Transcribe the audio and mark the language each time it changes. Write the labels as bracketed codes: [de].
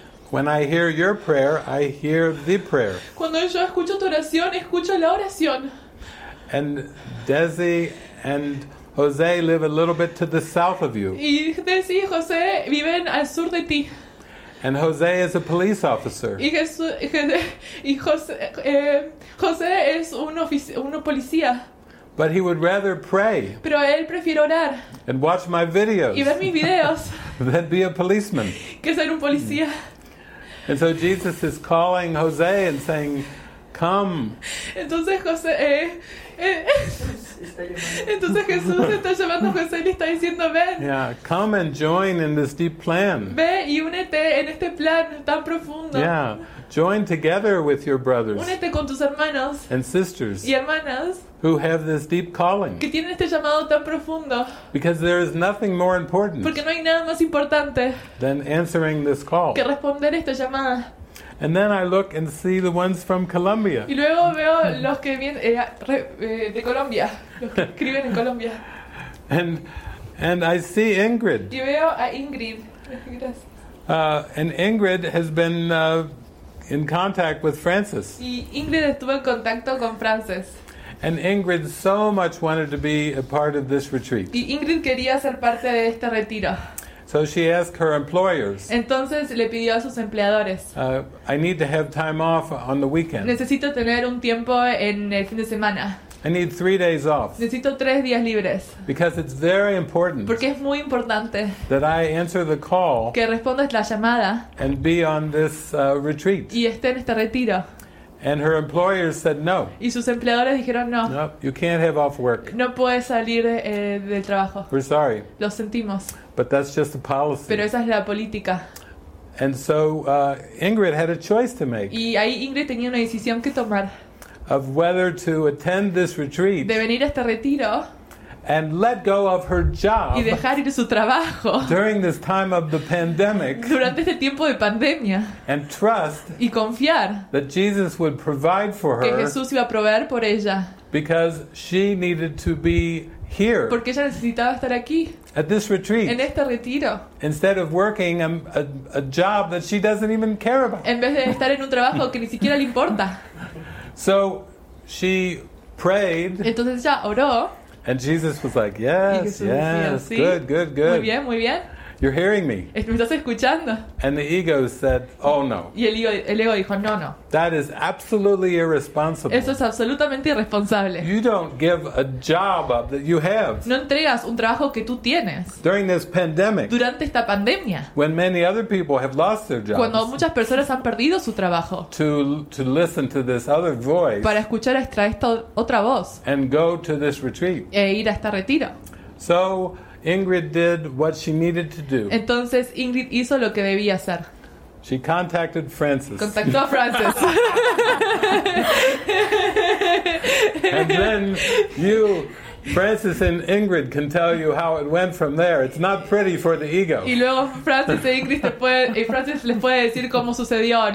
[en] When I hear your prayer, I hear the prayer. [es] Cuando yo escucho tu oración, escucho la oración. [en] And Desi and Jose live a little bit to the south of you. [es] Y Desi y José viven al sur de ti. [en] And Jose is a police officer. [es] Y José es un policía. [en] But he would rather pray. [es] Pero él prefiere orar. [en] And watch my videos. [es] Y ver mis videos. [en] Than be a policeman. [es] Que ser un policía. [en] And so Jesus is calling Jose and saying, "Come." [es] Entonces José. Entonces Jesús está llamando a José y le está diciendo, ven. [en] Yeah, come and join in this deep plan. [es] Ve y únete en este plan tan profundo. [en] Yeah, join together with your brothers. [es] Únete con tus hermanos. [en] And sisters. [es] Y hermanas. [en] Who have this deep calling. [es] Que tienen este llamado tan profundo. [en] Because there is nothing more important. [es] Porque no hay nada más importante. [en] Than answering this call. [es] Que responder esta llamada. [en] And then I look and see the ones from Colombia. [es] Y luego veo los que vienen de Colombia, los que escriben en Colombia. [en] And I see Ingrid. [es] Y veo a Ingrid. [en] And Ingrid has been in contact with Francis. [es] Y Ingrid estuvo en contacto con Francis. [en] And Ingrid so much wanted to be a part of this retreat. [es] Y Ingrid quería ser parte de este retiro. [en] So she asked her employers. [es] Entonces le pidió a sus empleadores. [en] I need to have time off on the weekend. [es] Necesito tener un tiempo en el fin de semana. [en] I need 3 days off. [es] Necesito 3 días libres. [en] Because it's very important. [es] Porque es muy importante. [en] That I answer the call. [es] Que respondas la llamada. [en] And be on this retreat. [es] Y esté en este retiro. [en] And her employers said no. [es] Y sus empleadores dijeron no. [en] No, you can't have off work. [es] No puedes salir del trabajo. [en] We're sorry. [es] Lo sentimos. [en] But that's just the policy. [es] Pero esa es la política. [en] And so Ingrid had a choice to make. [es] Y ahí Ingrid tenía una decisión que tomar. [en] Of whether to attend this retreat. [es] De venir a este retiro. [en] And let go of her job. [es] Y dejar ir su trabajo. [en] During this time of the pandemic. [es] Durante este tiempo de pandemia. [en] And trust. [es] Y confiar. [en] That Jesus would provide for her. [es] Que Jesús iba a proveer por ella. [en] Because she needed to be here. [es] Porque ella necesitaba estar aquí. [en] At this retreat. [es] En este retiro. [en] Instead of working a job that she doesn't even care about. [es] En vez de estar en un trabajo que ni siquiera le importa. [en] So she prayed. [es] Entonces ella oró. [en] And Jesus was like, yes, yes, [es] decía, sí. [en] Good, good, good. [es] Muy bien, muy bien. [en] You're hearing me. [es] Me estás escuchando. [en] And the ego said, oh no. [es] Y el ego dijo, no, no. [en] That is absolutely irresponsible. [es] Eso es absolutamente irresponsable. [en] You don't give a job up that you have. [es] No entregas un trabajo que tú tienes. [en] During this pandemic. [es] Durante esta pandemia. [en] When many other people have lost their jobs. [es] Cuando muchas personas han perdido su trabajo. [en] To listen to this other voice. [es] Para escuchar esta otra voz. [en] And go to this retreat. [es] E ir a este retiro. [en] So Ingrid did what she needed to do. [es] Entonces Ingrid hizo lo que debía hacer. [en] She contacted Francis. [es] Contactó a Francis. [en] And then you, Francis and Ingrid can tell you how it went from there. It's not pretty for the ego. [es] Y luego Francis e Ingrid Francis les puede decir cómo sucedió.